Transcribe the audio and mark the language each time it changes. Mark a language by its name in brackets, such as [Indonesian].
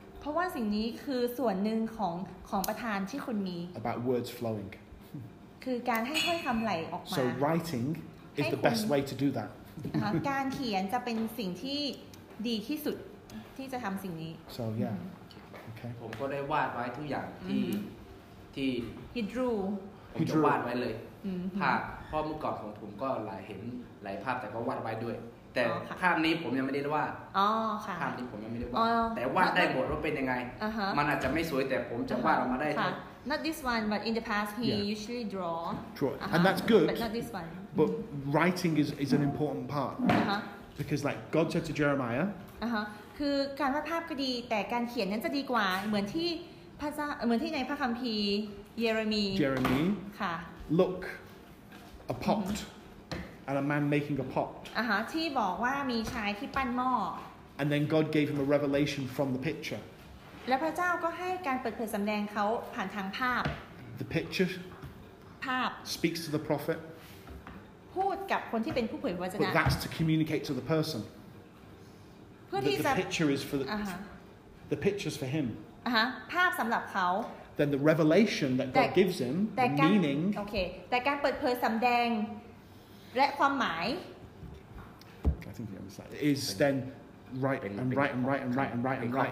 [Thai] เพราะว่าสิ่งนี้คือส่วนหนึ่งของประธานที่คุณมี [English] About words flowing [Thai] คือการให้ถ้อยคำไหลออกมา [English] So writing is the best way to do that [Thai] การเขียนจะเป็นสิ่งที่ดีที่สุดที่จะทำสิ่งนี้ [English] So yeah okay [Thai] ผมก็ได้วาดไว้ทุกอย่างที่ [English] He drew [Thai] ผมจะวาดไว้เลยภาพเพราะเมื่อก่อนของผมก็หลายเห็นหลายภาพแต่ก็วาดไว้ด้วยแต่ภาพนี้ผมยังไม่ได้วาดภาพนี้ผมยังไม่ได้วาดแต่วาดได้หมดว่าเป็นยังไงมันอาจจะไม่สวยแต่ผมจะวาดออกมาได้ทั้ง [English] Not this one but in the past he usually draw and that's good but not this one but writing is an important part because like God said to Jeremiah [Thai] คือการวาดภาพก็ดีแต่การเขียนนั้นจะดีกว่าเหมือนที่ในพระคัมภีร์เยเรมีย์ค่ะ [English] look a pot and a man making a pot [Thai] ที่บอกว่ามีชายที่ปั้นหม้อ [English] and then God gave him a revelation from the picture [Thai] และพระเจ้าก็ให้การเปิดเผยสำแดงเขาผ่านทางภาพ [English] the picture [Thai] ภาพ [English] speaks to the prophet [Thai] พูดกับคนที่เป็นผู้เผยพระวจนะ [English] but that's to communicate to the person [Thai] เพื่อที่จะ [English] the picture is for the picture's for him [Thai] ภาพสำหรับเขา [English] Then the revelation that God gives him, the meaning. Okay. [Thai] แต่การเปิดเผยสำแดงและความหมาย [English] I think you understand. Is then write and write and write and write and write and write.